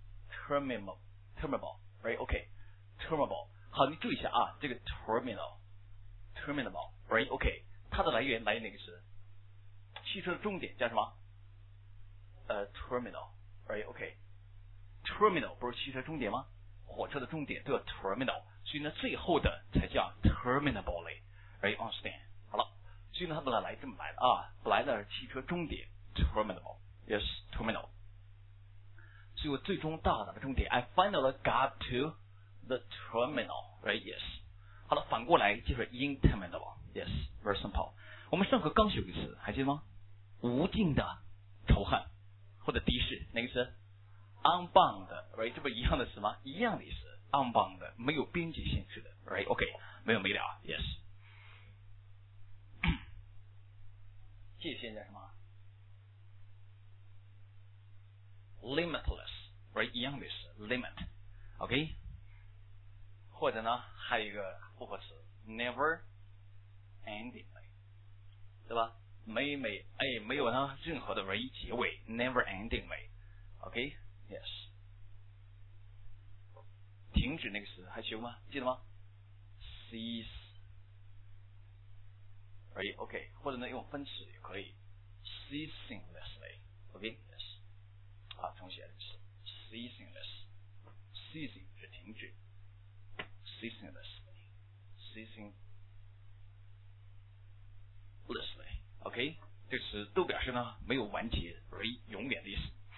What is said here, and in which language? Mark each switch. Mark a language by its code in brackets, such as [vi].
[zh] terminable right ok terminable 好你注意一下啊这个 terminable right ok 它的来源来源哪个词汽车的终点叫什么terminal right ok terminal 不是汽车终点吗火车的终点都叫 terminal 所以呢最后的才叫 terminable right understand 好了所以呢它本来来这么来的啊本来的是汽车终点Terminal, yes, terminal. 所以我最终到达了终点。 [en] I finally got to the terminal, right? Yes. [zh] 好了，反过来就是 interminable, [en] yes, very simple. [zh] 我们上课刚学一词，还记得吗？无尽的仇恨或者敌视，哪个词 ？Unbound, right? 这不一样的词吗？一样的意思 ，unbound, 没有边界限制的 ，right? OK, 没有没了 ，yes. 界限叫什么？ [en] Limitless, right? [zh] 一样的是 limit, OK? 或者呢，还有一个复合词 never ending, 对吧？没有呢任何的唯一结尾 never ending, OK? [en] Yes. [zh] 停止那个词还行吗？ [en] 记得吗 ？Cease, right? OK? [zh] 或者呢用分词也可以 ceaselessly, OK? Yes. 啊，重写的是 ceaselessly， ceasing 是停止， ceaselessly， ceaselessly， OK， 这词都表示呢没有完结，而永远的意思。